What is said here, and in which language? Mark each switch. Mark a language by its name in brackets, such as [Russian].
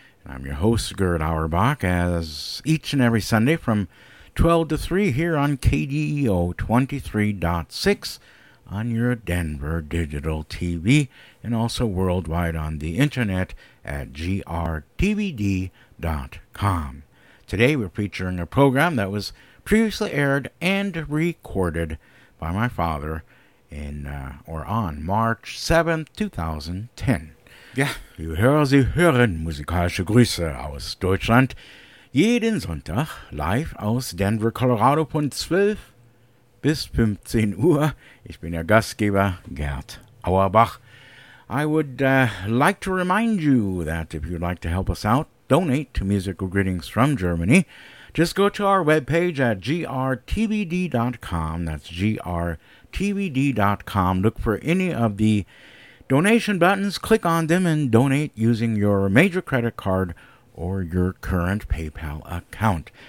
[English] I'm your host, Gerd Auerbach, as each and every Sunday from 12 to 3 here on KDEO 23.6 on your Denver Digital TV and also worldwide on the internet at grtvd.com. Today we're featuring a program that was previously aired and recorded by my father on March 7th, 2010. [German] Ja, Sie hören musikalische Grüße aus Deutschland. Jeden Sonntag live aus Denver, Colorado von 12 bis 15 Uhr. Ich bin Ihr Gastgeber, Gerd Auerbach. [English] I would like to remind you that if you'd like to help us out, donate to Musical Greetings from Germany, just go to our webpage at grtvd.com. That's grtvd.com. Look for any of the donation buttons, click on them, and donate using your major credit card or your current PayPal account.